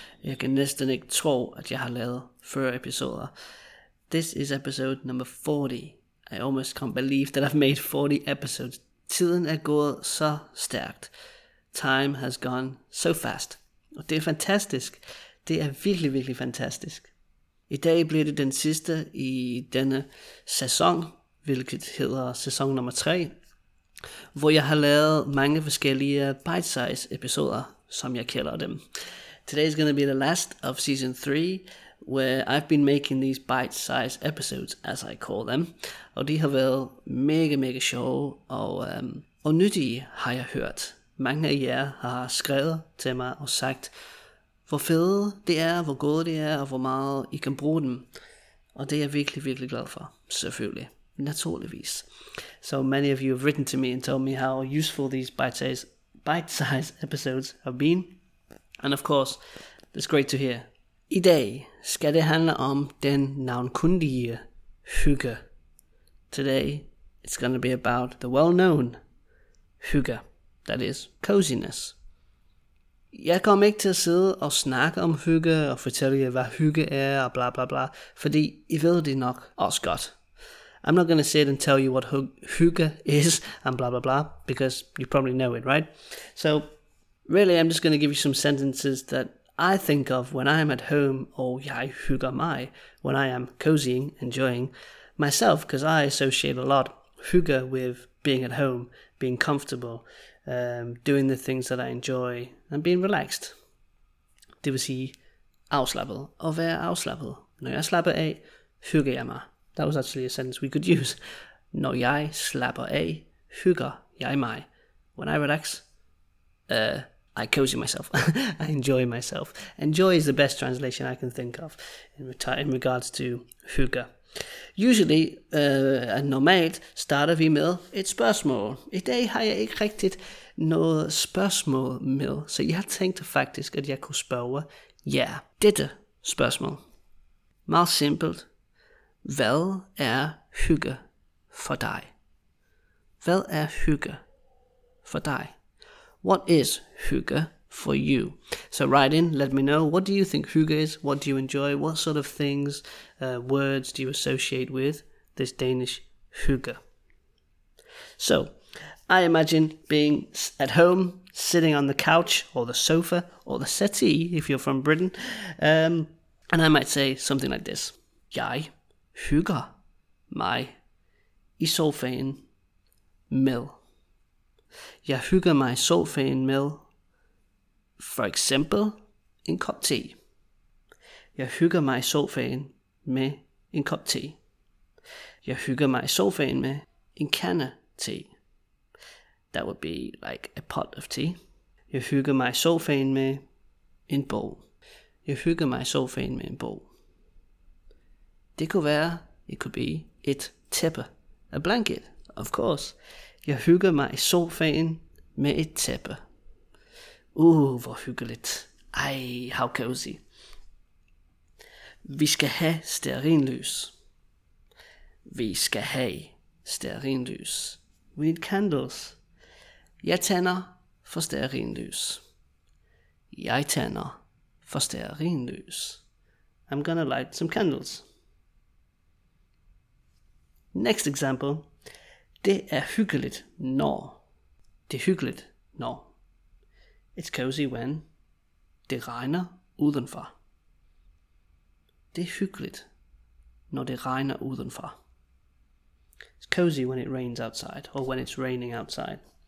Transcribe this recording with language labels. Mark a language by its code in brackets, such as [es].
[da] Jeg kan næsten ikke tro, at jeg har lavet 40 episoder. [en] This is episode number 40. I almost can't believe that I've made 40 episodes. [da] Tiden er gået så stærkt. [en] Time has gone so fast. [da] Og det er fantastisk. Det er virkelig, virkelig fantastisk. I dag bliver det den sidste i denne sæson, hvilket hedder sæson nummer 3, hvor jeg har lavet mange forskellige bite-size episoder, som jeg kalder dem. [en] Today is going to be the last of season 3, where I've been making these bite-size episodes, as I call them, [da] og de har været mega, mega sjove og nyttige, har jeg hørt. Mange af jer har skrevet til mig og sagt, hvor fede det er, hvor gode det er, og hvor meget I kan bruge dem. Og det er jeg virkelig, virkelig glad for, selvfølgelig. Naturligvis. [en] So many of you have written to me and told me how useful these bite-size episodes have been. And of course, it's great to hear. [da] I dag skal det handle om den navnkundige Hygge. [en] Today, it's going to be about the well-known Hygge. That is, coziness. [da] Jeg kommer ikke til at sidde og snakke om hygge og fortælle jer, hvad hygge er og bla bla bla, fordi I ved det nok også godt. [en] I'm not gonna sit and tell you what hygge is and bla bla bla, because you probably know it, right? So, really, I'm just gonna give you some sentences that I think of when I'm at home, or [da] jeg hygger mig, [en] when I am cozying, enjoying myself, because I associate a lot hygge with being at home, being comfortable, doing the things that I enjoy, and being relaxed. [da] Det vil sige afslappet, og være afslappet. Når jeg slapper af, hygger jeg mig. [en] That was actually a sentence we could use. [da] Når jeg slapper af, hygger jeg mig. [en] When I relax, I cozy myself. I enjoy myself. Enjoy is the best translation I can think of in regards to hygge. Usually, [da] normalt, starter vi med et spørgsmål. I dag har jeg ikke rigtigt noget spørgsmål med, så jeg tænkte faktisk, at jeg kunne spørge jer dette spørgsmål. Meget simpelt. Hvad er hygge for dig? Hvad er hygge for dig? [en] What is hygge for you? So write in, let me know, what do you think hygge is? What do you enjoy? What sort of things, words do you associate with this Danish hygge? So, I imagine being at home, sitting on the couch or the sofa or the settee, if you're from Britain, and I might say something like this. [da] Jeg hygger mig i sofaen med. Jeg hygger mig i sofaen med. For eksempel en kop te. Jeg hygger mig i sofaen med en kop te. Jeg hygger mig i sofaen med en kande te. [en] That would be like a pot of tea. [da] Jeg hygger mig i sofaen med en bog. Jeg hygger mig i sofaen med en bog. Det kunne være, [en] it could be [da] et tæppe. [en] A blanket, of course. [da] Jeg hygger mig i sofaen med et tæppe. Hvor hyggeligt. Ej, [en] how cozy. [da] Vi skal have stearinlys. Vi skal have stearinlys. [en] We need candles. [da] Jeg tænder for stearinlys. Jeg tænder for stearinlys. [en] I'm gonna light some candles. Next example. [da] Det hyggeligt når. Det hyggeligt når. [en] It's cozy when. [da] Det regner udenfor. Det hyggeligt når det regner udenfor. [en] It's cozy when it rains outside or when it's raining outside.